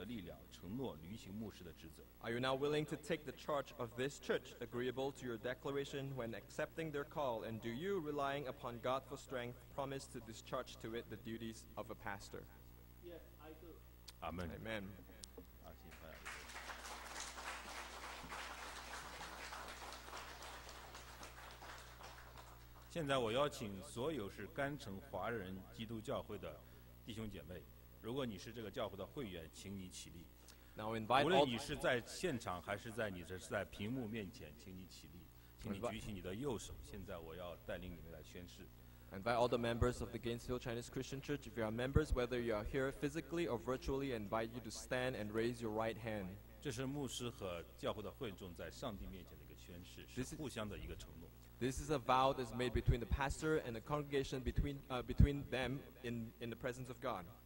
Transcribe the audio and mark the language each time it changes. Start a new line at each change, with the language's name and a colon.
Chinese: 最后一位，现在你是否愿意接受，愿意按照接受呼召时的宣告，负责牧养这间教会？你是否愿意依靠上帝赐予你的力量，承诺履行牧师的职责？
English: Are you now willing to take the charge of this church agreeable to your declaration when accepting their call? And do you, relying upon God for strength, promise to discharge to it the duties of a pastor? Amen. Amen.
Chinese: 现在我邀请所有是甘城华人基督教会的弟兄姐妹，如果你是这个教会的会员，请你起立。无论你是在现场还是在你的在屏幕面前，请你起立，请你举起你的右手。现在我要带领你们来宣誓。
English: Invite all the members of the Gainesville Chinese Christian Church, if you are members, whether you are here physically or virtually, invite you to stand and raise your right hand. This is a vow that is made between the pastor and the congregation between them in the presence of God.